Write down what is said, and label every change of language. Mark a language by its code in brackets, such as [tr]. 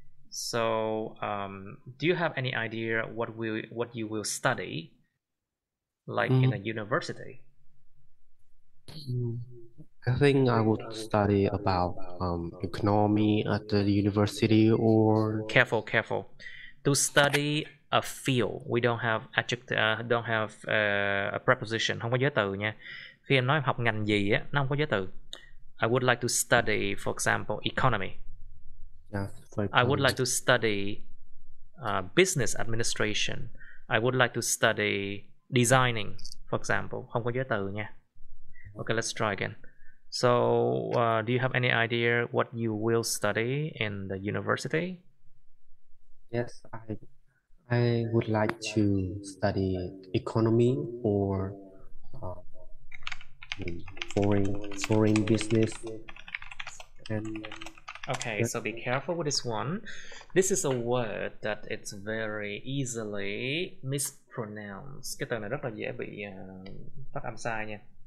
[en] So, do you have any idea what you will study, like in a university? I think I would Careful, study about economy at the university or careful. To study a field, we don't have don't have a preposition. [vi] Không có giới từ nha. Khi em nói em học ngành gì á, nó không có giới từ. [en] I would like to study, for example, economy. for I would like economy. to study business administration. I would like to study designing, for example. [vi] Không có giới từ nha. [en] Okay, let's try again. So, do you have any idea what you will study in the university? Yes, I would like to study economy or foreign business, and Okay, so be careful with this one. This is a word that it's very easily mispronounced. [vi] Cái từ này rất là dễ bị phát âm sai nha.